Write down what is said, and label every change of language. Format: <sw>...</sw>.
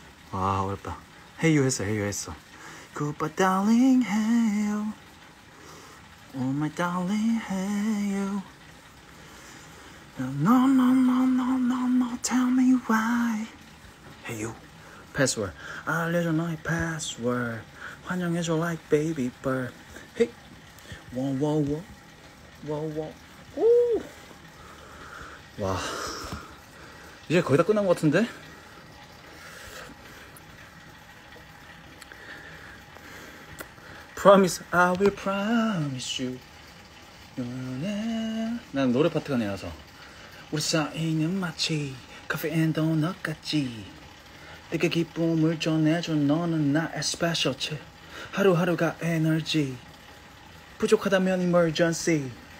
<ko>와 어렵다</ko> <en>Hey you</en> <ko>했어 Hey you 했어</ko> <en>Goodbye darling Hey you Oh my darling, hey you. No, no, no, no, no, no. Tell me why. Hey you. Password.</en> <ko>알려줘 너의 password. 환영해줘</ko> <en>like baby bird. Hey. Whoa, whoa, whoa. Whoa, whoa. Woo. 와.</en> <ko>이제 거의 다 끝난 것 같은데?</ko> <en>프라미스 I will promise you</en> <ko>난 노래 파트가 아니라서 우리 사이는 마치 커피 앤 도넛 같지 내게 기쁨을 전해준 너는 나의 스페셜티 하루하루가 에너지 부족하다면 emergency</ko>